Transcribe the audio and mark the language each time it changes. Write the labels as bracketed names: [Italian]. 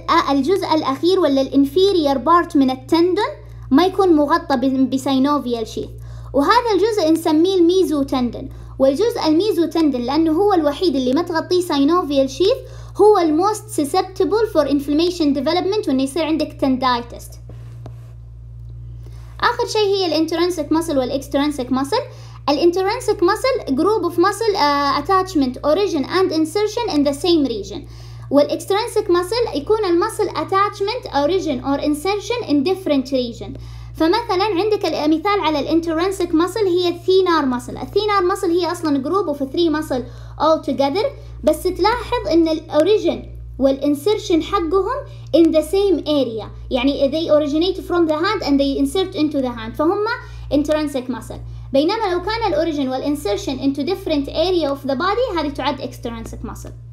[Arabic] الجزء الأخير ولا inferior part من التندن ما يكون مغطى synovial sheath. وهذا الجزء نسميه الميزو تندن. والجزء الميزو تندن لأنه هو الوحيد اللي ما تغطي synovial sheath هو [English] the most susceptible for inflammation development [Arabic] وإنه يصير عندك tendinitis. آخر شيء هي [English] the intrinsic muscle وال extrinsic muscle. The intrinsic muscle group of muscle attachment origin and insertion in the same region. وال extrinsic muscle يكون the muscle attachment origin or insertion in different region. [Arabic] فمثلا عندك مثال على ال intrinsic muscle هي thenar muscle. [English] Thenar muscle [Arabic] هي أصلا [English] group of three muscle all together. [Arabic] بس تلاحظ ان الاوريجن والانسرشن حقهم [English] in the same area، [Arabic] يعني [English] they originate from the hand and they insert into the hand، [Arabic] فهما [English] intrinsic muscle. [Arabic] بينما لو كان الاوريجن والانسرشن [English] into different area of the body [Arabic] هذه تعد [English] extrinsic muscle.